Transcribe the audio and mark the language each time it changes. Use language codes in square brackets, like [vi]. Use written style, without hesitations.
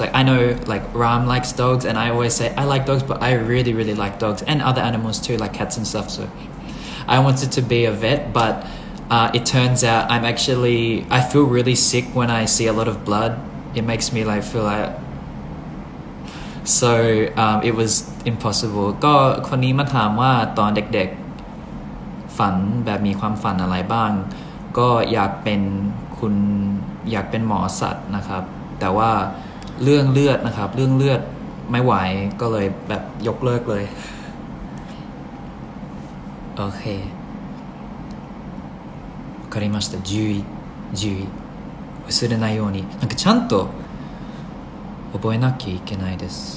[en] Like I know, like Ram likes dogs, and I always say I like dogs, but I really, really like dogs and other animals too, like cats and stuff. So, I wanted to be a vet, but it turns out I feel really sick when I see a lot of blood it makes me like feel like so it was impossible [th] ก็คนนี้มาถามว่าตอนเด็กๆฝันแบบมีความฝันอะไรบ้างก็อยากเป็นคุณอยากเป็นหมอสัตว์นะครับแต่ว่าเรื่องเลือดนะครับเรื่องเลือดไม่ไหวก็เลยแบบยกเลิกเลย [ja] โอเคわかりました10位10位忘れないようになんかちゃんと覚えなきゃいけないです